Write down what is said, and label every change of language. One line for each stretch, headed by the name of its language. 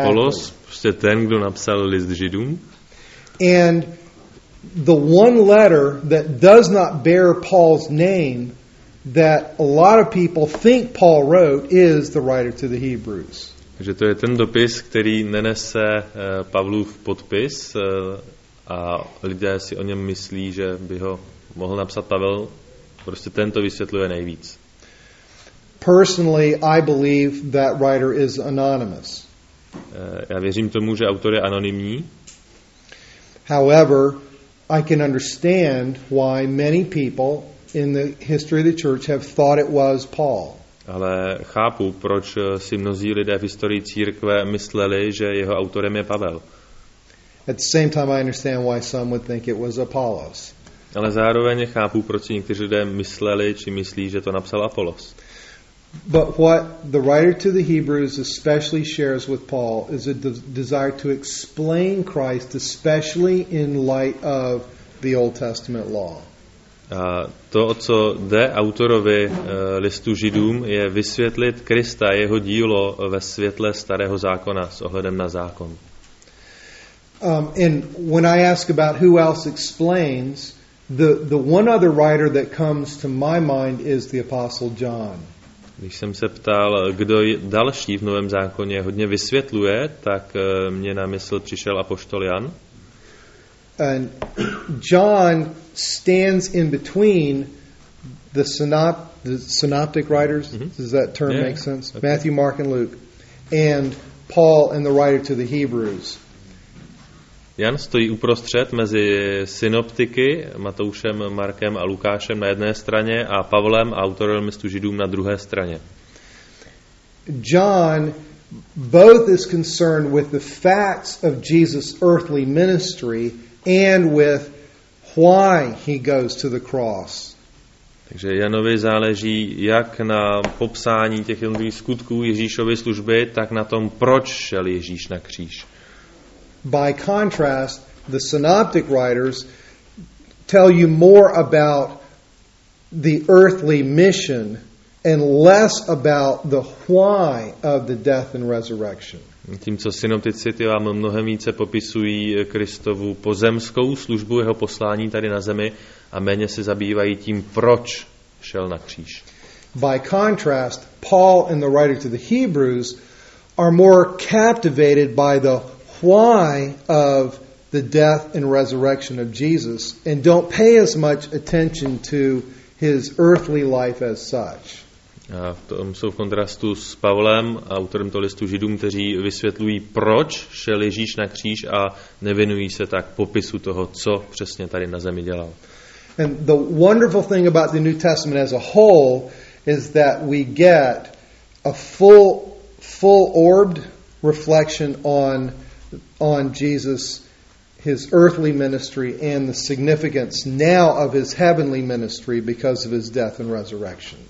Czech: Apollos, prostě ten, kdo napsal list Židům.
English: And the one letter that does not bear Paul's name that a lot of people think Paul wrote is the writer to the Hebrews.
Czech: Takže to je ten dopis, který nenese Pavlův podpis, a lidé si o něm myslí, že by ho mohl napsat Pavel. Prostě ten to vysvětluje nejvíc.
English: Personally, I believe that writer is anonymous.
Czech: Já věřím tomu, že autor je anonymní.
English: However, I can understand why many people in the history of the church have thought it was Paul.
Czech: Ale chápu, proč si mnozí lidé v historii církve mysleli, že jeho autorem je Pavel.
English: At the same time I understand why some would think it was Apollos.
Czech: Ale zároveň chápu, proč si někteří lidé mysleli, či myslí, že to napsal Apollos.
English: But what the writer to the Hebrews especially shares with Paul is a desire to explain Christ, especially in light of the Old Testament law.
Czech: A to, o co jde autorovi listu Židům, je vysvětlit Krista, jeho dílo ve světle starého zákona s ohledem na zákon.
English: And when I ask about who else explains, the one other writer that comes to my mind is the Apostle John.
Czech: Když jsem se ptal, kdo další v Novém zákoně hodně vysvětluje, tak mě na mysl přišel apoštol Jan.
English: And John stands in between the synoptic writers, does that term make sense? Okay. Matthew, Mark, and Luke, and Paul and the writer to the Hebrews.
Czech: Jan stojí uprostřed mezi synoptiky Matoušem, Markem a Lukášem na jedné straně a Pavlem, autorem listu Židům, na druhé straně.
English: John both is concerned with the facts of Jesus' earthly ministry and with why he goes to the cross.
Czech: Takže Janovi záleží jak na popsání těch jednotlivých skutků Ježíšovy služby, tak na tom, proč šel Ježíš na kříž.
English: By contrast, the synoptic writers tell you more about the earthly mission and less about the why of the death and resurrection.
Czech: Tímco synoptici ty vám mnohem více popisují Kristovu pozemskou službu, jeho poslání tady na zemi, a méně se zabývají tím, proč šel na kříž.
English: By contrast, Paul and the writer to the Hebrews are more captivated by the why of the death and resurrection of Jesus and don't pay as much attention to his earthly life as such.
Czech: A v tom jsou v kontrastu s Pavlem, autorem toho listu Židům, kteří vysvětlují, proč šel Ježíš na kříž a nevěnují se tak popisu toho, co přesně tady na zemi dělal.
English: And the wonderful thing about the New Testament as a whole is that we get a full orbed reflection on Jesus, his earthly ministry, and the significance now of his heavenly ministry because of his death and resurrection.